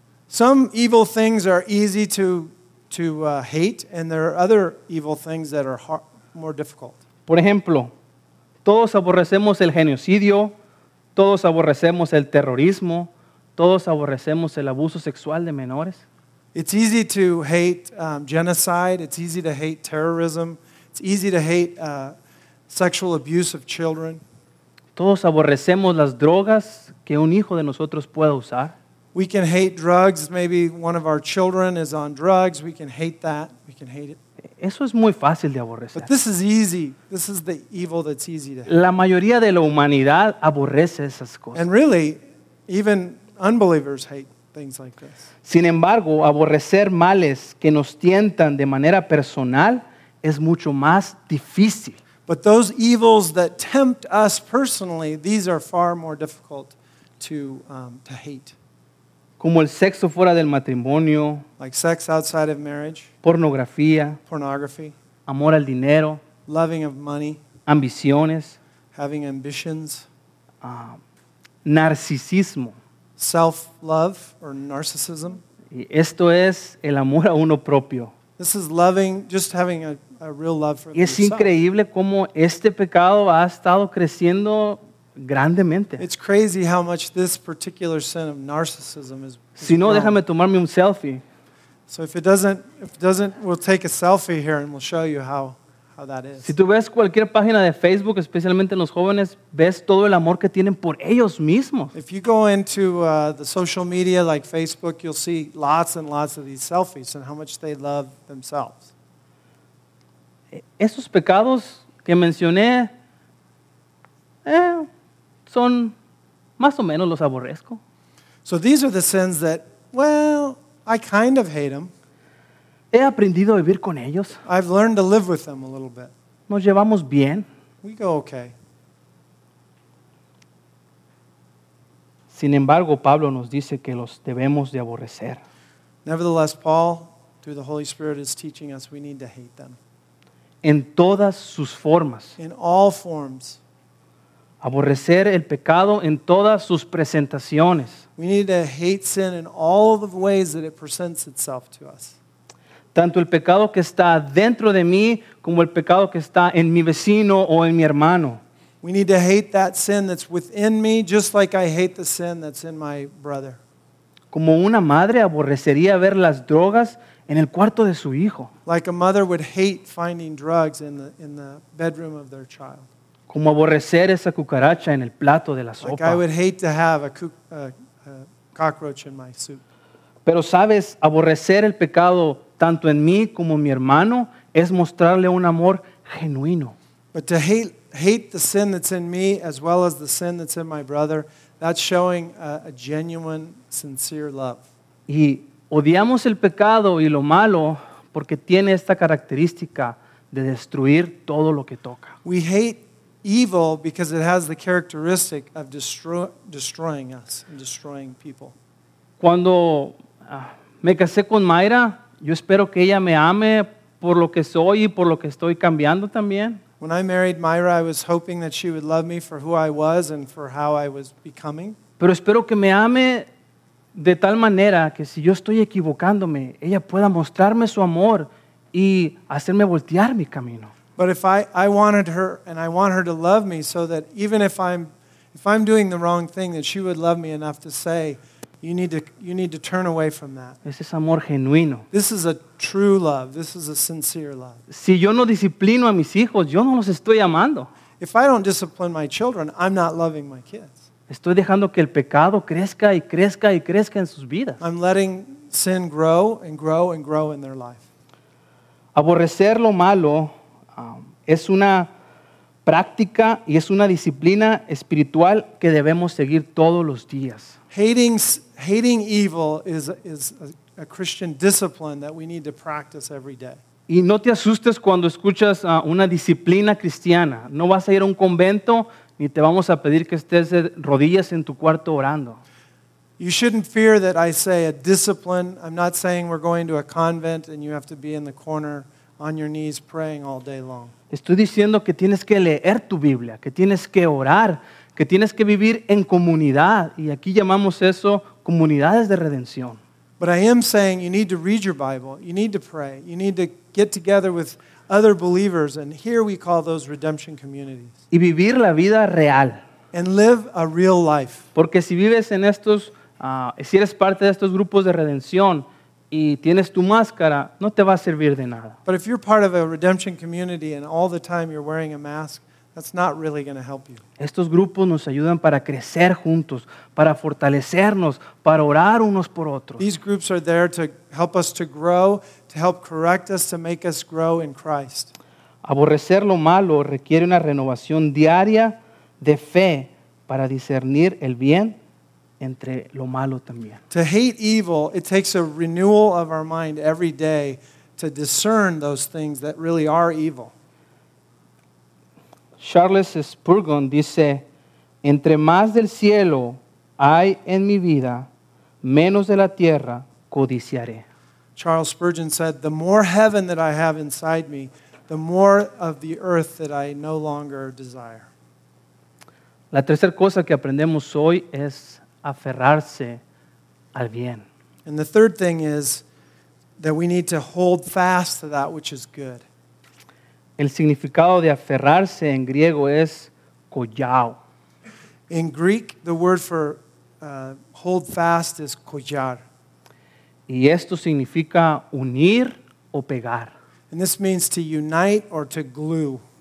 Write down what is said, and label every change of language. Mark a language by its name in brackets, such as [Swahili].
[English] Some evil things are easy to hate, and there are other evil things that are more difficult. [Spanish] Por ejemplo, todos aborrecemos el genocidio, todos aborrecemos el terrorismo, todos aborrecemos el abuso sexual de menores. [English] It's easy to hate genocide, it's easy to hate terrorism, it's easy to hate sexual abuse of children. [Spanish] Todos aborrecemos las drogas que un hijo de nosotros pueda usar. [English] We can hate drugs. Maybe one of our children is on drugs. We can hate that. We can hate it. [Spanish] Eso es muy fácil de aborrecer. [English] But this is easy. This is the evil that's easy to hate. [Spanish] La mayoría de la humanidad aborrece esas cosas. [English] And really, even unbelievers hate things like this. [Spanish] Sin embargo, aborrecer males que nos tientan de manera personal es mucho más difícil. [English] But those evils that tempt us personally, these are far more difficult to hate. [Spanish] Como el sexo fuera del matrimonio, [English] like sex outside of marriage, [Spanish] pornografía, [English] pornography, [Spanish] amor al dinero, [English] loving of money, [Spanish] ambiciones, [English] having ambitions, [Spanish] narcisismo, [English] self-love or narcissism. [Spanish] Y esto es el amor a uno propio. [English] This is loving, just having a real love for [Spanish] y es [English] yourself. [Spanish] Increíble cómo este pecado ha estado creciendo. [English] It's crazy how much this particular sin of narcissism is. [Spanish] Si no, déjame tomarme un selfie. [English] So if it doesn't, we'll take a selfie here and we'll show you how that is. [Spanish] Si tú ves cualquier página de Facebook, especialmente en los jóvenes, ves todo el amor que tienen por ellos mismos. [English] If you go into the social media like Facebook, you'll see lots and lots of these selfies and how much they love themselves. [Spanish] Esos pecados que mencioné. Son más o menos los aborrezco. [English] So these are the sins that, well, I kind of hate them. [Spanish] He aprendido a vivir con ellos. [English] I've learned to live with them a little bit. [Spanish] Nos llevamos bien. [English] We go okay. [Spanish] Sin embargo, Pablo nos dice que los debemos de aborrecer. [English] Nevertheless, Paul, through the Holy Spirit, is teaching us we need to hate them. [Spanish] En todas sus formas. [English] In all forms. [Spanish] Aborrecer el pecado en todas sus presentaciones. [English] We need to hate sin in all of the ways that it presents itself to us. [Spanish] Tanto el pecado que está dentro de mí como el pecado que está en mi vecino o en mi hermano. [English] We need to hate that sin that's within me just like I hate the sin that's in my brother. [Spanish] Como una madre aborrecería ver las drogas en el cuarto de su hijo. [English] Like a mother would hate finding drugs in the bedroom of their child. [Spanish] Como aborrecer esa cucaracha en el plato de la sopa. [English] Like I would hate to have a cockroach in my soup. [Spanish] Pero sabes, aborrecer el pecado tanto en mí como en mi hermano es mostrarle un amor genuino. [English] But to hate the sin that's in me as well as the sin that's in my brother, that's showing a genuine, sincere love. [Spanish] Y odiamos el pecado y lo malo porque tiene esta característica de destruir todo lo que toca. [English] We hate evil because it has the characteristic of destroying us and destroying people. [Spanish] Cuando me casé con Mayra, yo espero que ella me ame por lo que soy y por lo que estoy cambiando también. [English] When I married Myra, I was hoping that she would love me for who I was and for how I was becoming. [Spanish] Pero espero que me ame de tal manera que si yo estoy equivocándome, ella pueda mostrarme su amor y hacerme voltear mi camino. [English] But if I wanted her and I want her to love me so that even if I'm doing the wrong thing, that she would love me enough to say, you need to turn away from that. [Spanish] Ese es amor genuino. [English] This is a true love. This is a sincere love. [Spanish] Si yo no disciplino a mis hijos, yo no los estoy amando. [English] If I don't discipline my children, I'm not loving my kids. [Spanish] Estoy dejando que el pecado crezca y crezca y crezca en sus vidas. [English] I'm letting sin grow and grow and grow in their life. [Spanish] Aborrecer lo malo es una práctica y es una disciplina espiritual que debemos seguir todos los días. [English] Hating evil is a Christian discipline that we need to practice every day. [Spanish] Y no te asustes cuando escuchas una disciplina cristiana. No vas a ir a un convento ni te vamos a pedir que estés de rodillas en tu cuarto orando. [English] You shouldn't fear that I say a discipline. I'm not saying we're going to a convent and you have to be in the corner on your knees praying all day long. [Spanish] Estoy diciendo que tienes que leer tu Biblia, que tienes que orar, que tienes que vivir en comunidad. Y aquí llamamos eso comunidades de redención. [English] But I am saying you need to read your Bible, you need to pray, you need to get together with other believers, and here we call those redemption communities. [Spanish] Y vivir la vida real. [English] And live a real life. [Spanish] Porque si vives en estos, si eres parte de estos grupos de redención, y tienes tu máscara, no te va a servir de nada. [English] But if you're part of a redemption community and all the time you're wearing a mask, that's not really going to help you. [Spanish] Estos grupos nos ayudan para crecer juntos, para fortalecernos, para orar unos por otros. [English] These groups are there to help us to grow, to help correct us, to make us grow in Christ. [Spanish] Aborrecer lo malo requiere una renovación diaria de fe para discernir el bien entre lo malo también. [English] To hate evil, it takes a renewal of our mind every day to discern those things that really are evil. [Spanish] Charles Spurgeon dice, entre más del cielo hay en mi vida, menos de la tierra codiciaré. [English] Charles Spurgeon said, the more heaven that I have inside me, the more of the earth that I no longer desire. [Spanish] La tercera cosa que aprendemos hoy es aferrarse al bien. [English] And the third thing is that we need to hold fast to that which is good. [Spanish] El significado de aferrarse en griego es collao. [English] In Greek, the word for hold fast is collar. [Spanish] Y esto significa unir o pegar. [English] And this means to unite or to glue.